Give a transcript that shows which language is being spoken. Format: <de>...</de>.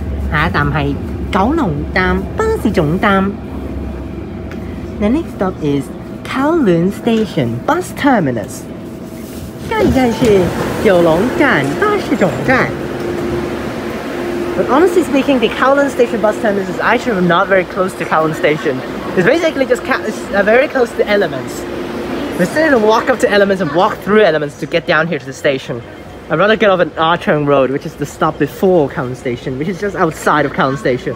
<zh>下一站是九龙站巴士总站.</zh> <en>The next stop is Kowloon Station Bus Terminus.</en> <zh>下一站是九龙站巴士总站.</zh> <en>But honestly speaking, the Kowloon Station Bus Terminus is actually not very close to Kowloon Station. It's basically just very close to elements. We're still gonna walk up to Elements and walk through Elements to get down here to the station. I'd rather get off at Adtranz Road, which is the stop before Kowloon Station, which is just outside of Kowloon Station.</en>